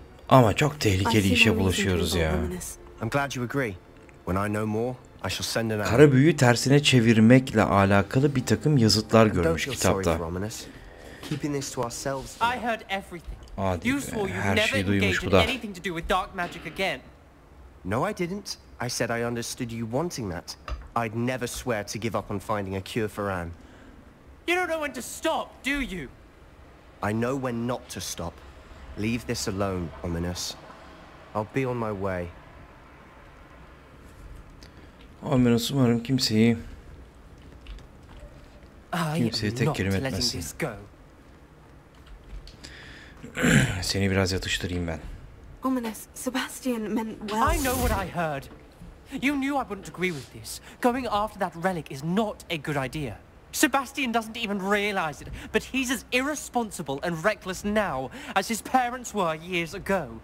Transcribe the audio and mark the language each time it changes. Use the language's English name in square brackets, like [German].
[Turkish] Ama çok tehlikeli işe bulaşıyoruz ya. [English] I'm glad you agree. When I know more, I shall send an. [Turkish] Kara büyüyü tersine çevirmekle alakalı bir takım yazıtlar görmüş kitapta. [English] Keeping this to ourselves. I heard everything. You swore you never engaged in anything to do with dark magic again. No, I didn't. I said I understood you wanting that. I'd never swear to give up on finding a cure for Anne. You don't know when to stop, do you? I know when not to stop. Leave this alone, Ominous. I'll be on my way. [Turkish] Ominous, umarım kimseyi tek kelime etmesin. Seni biraz yatıştırayım ben. [English] Ominous, Sebastian meant well. I know what I heard. You knew I wouldn't agree with this. Going after that relic is not a good idea. Sebastian doesn't even realize it, but he's as irresponsible and reckless now as his parents were years ago.